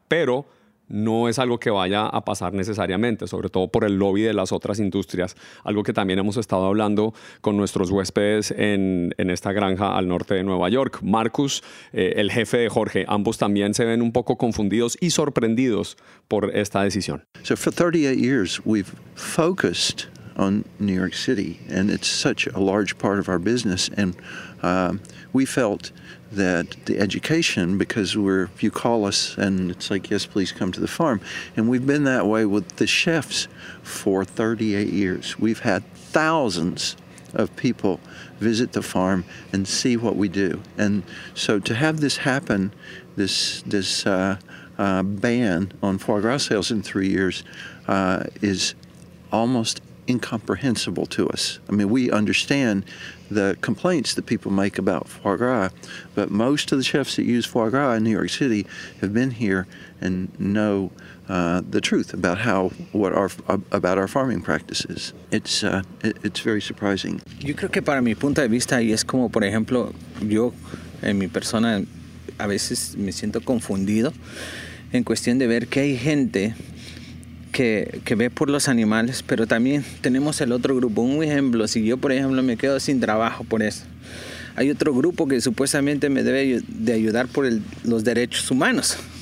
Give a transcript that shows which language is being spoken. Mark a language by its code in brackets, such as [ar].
[es] Pero no es algo que vaya a pasar necesariamente, sobre todo por el lobby de las otras industrias. Algo que también hemos estado hablando con nuestros huéspedes en esta granja al norte de Nueva York. Marcus, el jefe de Jorge, ambos también se ven un poco confundidos y sorprendidos por esta decisión. [en] So for 38 years we've focused on New York City and it's such a large part of our business and we felt that the education, because we're, if you call us and it's like, yes, please come to the farm. And we've been that way with the chefs for 38 years. We've had thousands of people visit the farm and see what we do. And so to have this happen, this ban on foie gras sales in 3 years is almost incomprehensible to us. I mean, we understand the complaints that people make about foie gras, but most of the chefs that use foie gras in New York City have been here and know the truth about about our farming practices. It's very surprising. [es] Yo creo que para mi punto de vista, y es como por ejemplo, yo en mi persona a veces me siento confundido en cuestión de ver que hay gente que ve por los animales, pero también tenemos el otro grupo. Un ejemplo, si yo, por ejemplo, me quedo sin trabajo por eso, hay otro grupo que supuestamente me debe de ayudar por los derechos humanos.